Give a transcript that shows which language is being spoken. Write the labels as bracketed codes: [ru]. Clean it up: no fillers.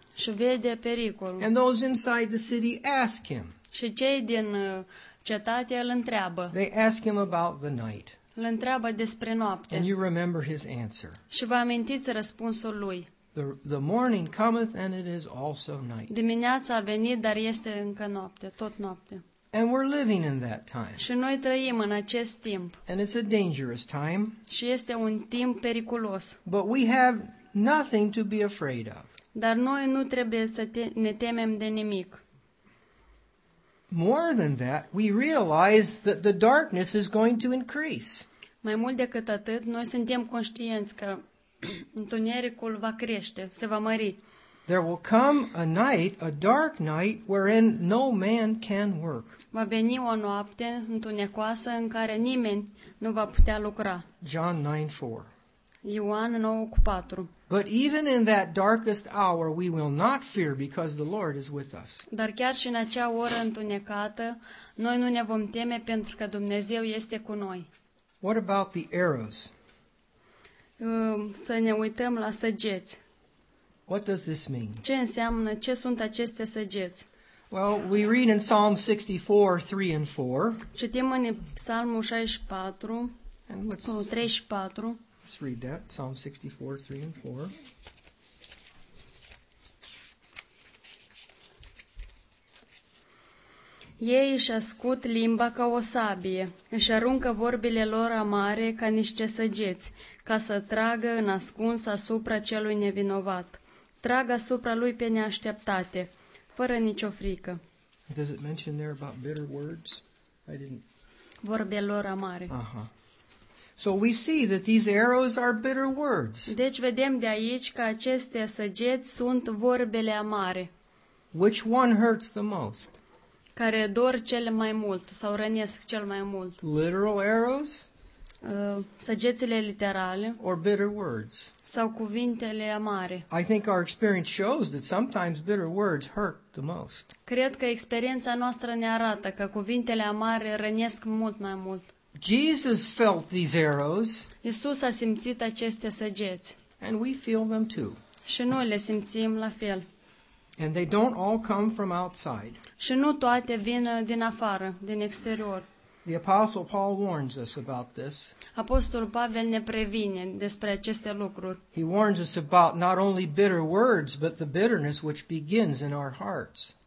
[ro] Și vede pericolul. [en] And those inside the city ask him. [ro] Și cei din cetate îl întreabă. [en] They ask him about the night. [ro] Îl întreabă despre noapte. [en] And you remember his answer. [ro] Și vă amintiți răspunsul lui. [en] The morning cometh and it is also night. [ro] Dimineața a venit, dar este încă noapte, tot noapte. [en] And we're living in that time. [ro] Și noi trăim în acest timp. [en] And it's a dangerous time. [ro] Și este un timp periculos. [en] But we have nothing to be afraid of. [ro] Dar noi nu trebuie să ne temem de nimic. [en] More than that, we realize that the darkness is going to increase. [ro] Mai mult decât atât, noi suntem conștienți că întunericul va crește, se va mări. [en] There will come a night, a dark night, wherein no man can work. [ro] Va veni o noapte întunecoasă în care nimeni nu va putea lucra. [en] John 9:4. But even in that darkest hour we will not fear because the Lord is with us. [ro] Dar chiar și în acea oră întunecată, noi nu ne vom teme pentru că Dumnezeu este cu noi. [en] What about the arrows? [ro] Să ne uităm la săgeți. [en] What does this mean? [ro] Ce înseamnă, ce sunt aceste săgeți? [en] Well, we read in Psalm 64:3-4. [ro] Citim în Psalmul 64, cu 3 și 4. [en] Let's read that, Psalm 64:3-4. [ro] Ei își ascut limba ca o sabie, își aruncă vorbile lor amare ca niște săgeți, ca să tragă în ascuns asupra celui nevinovat. Trag asupra lui pe neașteptate, fără nicio frică. [en] Does it mention there about bitter words? I didn't... [ro] Vorbe lor amare. Aha. [en] So we see that these arrows are bitter words. [ro] Deci vedem de aici că aceste săgeți sunt vorbele amare. [en] Which one hurts the most? [ro] Care dor cel mai mult sau rănesc cel mai mult? [en] Literal arrows? [ro] Săgețile literale? [en] Or bitter words? [ro] Sau cuvintele amare? [en] I think our experience shows that sometimes bitter words hurt the most. [ro] Cred că experiența noastră ne arată că cuvintele amare rănesc mult mai mult. [en] Jesus felt these arrows. [ro] Iisus a simțit aceste săgeți. [en] And we feel them too. [ro] Și noi le simțim la fel. [en] And they don't all come from outside. [ro] Și nu toate vin din afară, din exterior. [en] The Apostle Paul warns us about this. [ro] Apostolul Pavel ne previne despre aceste lucruri. [en] He warns us about not only bitter words, but the bitterness which begins in our hearts.